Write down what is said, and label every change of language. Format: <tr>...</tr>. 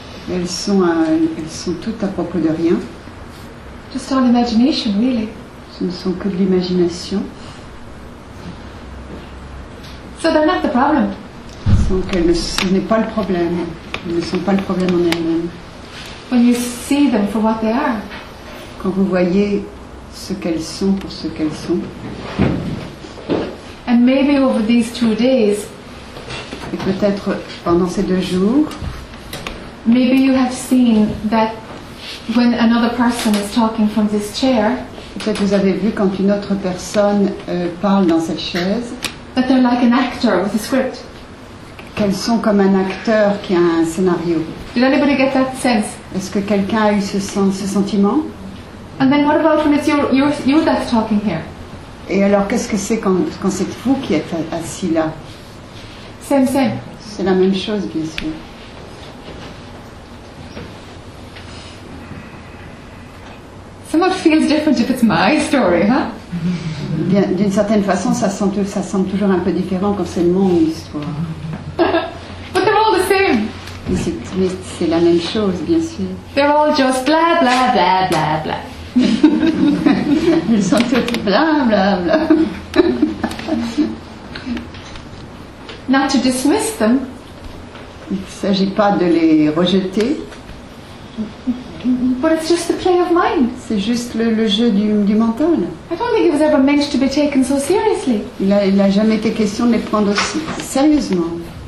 <fr>Elles sont toutes à propos de rien.</fr> <en>Just all imagination, really.</en> <fr>Ce ne sont que de l'imagination.</fr> <en>So they're not the problem.</en> <fr>Donc, ce n'est pas le problème. Ils ne sont pas le problème en elles-mêmes.</fr> <en>When you see them for what they are.</en> <fr>Quand vous voyez ce qu'elles sont pour ce qu'elles sont.</fr> <en>And maybe over these 2 days.</en> <fr>Et peut-être pendant ces 2 jours.</fr> <en>Maybe you have seen that when another person is talking from this chair.</en> <fr>Peut-être vous avez vu quand une autre personne parle dans cette chaise.</fr> <en>That they're like an actor with a script.</en> <fr>Qu'elles sont comme un acteur qui a un scénario.</fr> <en>Did anybody get that sense?</en> <fr>Est-ce que quelqu'un a eu ce sentiment?</fr> <en>And then what about when it's you that's talking here?</en> <fr>Et alors qu'est-ce que c'est quand c'est vous qui êtes assis là?</fr> <en>Same.</en> <fr>C'est la même chose, bien sûr.</fr> <en>Somewhat feels different if it's my story, huh?</en> <fr>Bien, d'une certaine façon, ça semble toujours un peu différent quand c'est mon histoire.</fr> <en>But they're all the same.</en> <fr>Mais c'est la même chose, bien sûr.</fr> <en>They're all just bla bla bla bla bla.</en> <fr>Ils sont tous bla bla bla.</fr> <en>Not to dismiss them.</en> <fr>Il ne s'agit pas de les rejeter.</fr> <en>But it's just the play of mind.</en> <fr>C'est juste le jeu du mental.</fr> <en>I don't think it was ever meant to be taken so seriously.</en> <fr>Il a jamais été question de les prendre aussi sérieusement.</fr>